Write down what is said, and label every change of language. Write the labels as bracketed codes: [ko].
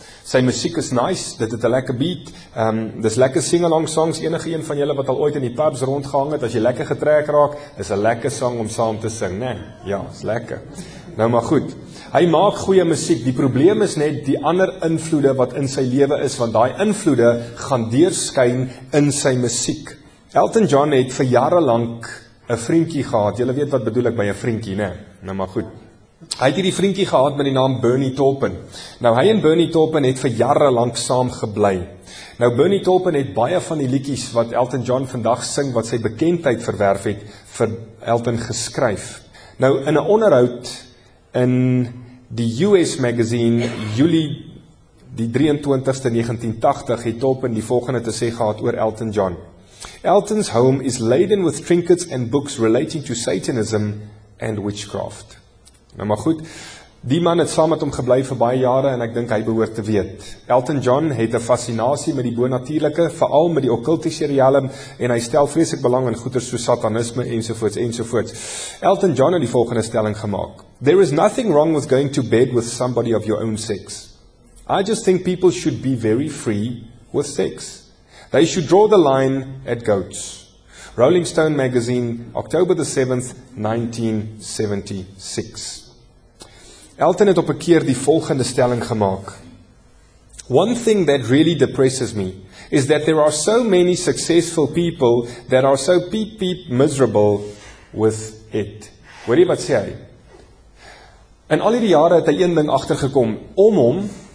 [af] Sy muziek is nice, dit het 'n lekker beat, dis lekker [en] sing-along songs, [af] enige een van julle wat al ooit in die pubs rondgehang het, as jy lekker getrek raak, is 'n lekker song om saam te sing, nee, ja, is lekker. Nou maar goed, hy maak goeie muziek, die probleem is net die ander invloede wat in sy lewe is, want die invloede gaan deurskyn in sy muziek. Elton John het vir jare lank een vriendjie gehad, jylle weet wat bedoel ek by een vriendjie, ne? Nou maar goed. Hy het hierdie vriendjie gehad met die naam Bernie Taupin. Nou, hy en Bernie Taupin het vir jare lang saam geblei. Nou, Bernie Taupin het baie van die liedjies wat Elton John vandag sing, wat sy bekendheid verwerf het, vir Elton geskryf. Nou, in 'n onderhoud in die US magazine, Julie die 23ste 1980, het Taupin die volgende te sê gehad oor Elton John. [en] Elton's home is laden with trinkets and books relating to Satanism and witchcraft. [af] Nou maar goed, die man het saam met hom gebly vir baie jare en ek dink hy behoort te weet. Elton John het 'n fascinasie met die bonatuurlike, veral met die okkultiese riekem, en hy stel vreeslik belang in goeters soos satanisme ensovoorts ensovoorts. Elton John het die volgende stelling gemaak. [en] There is nothing wrong with going to bed with somebody of your own sex. I just think people should be very free with sex. They should draw the line at goats. Rolling Stone magazine, October the 7th, 1976. [af] Elton het op 'n keer die volgende stelling gemaak. [en] One thing that really depresses me is that there are so many successful people that are so peep-peep miserable with it. [af] Hoor jy wat sê hy? In al die jare het hy een ding agtergekom. Om hom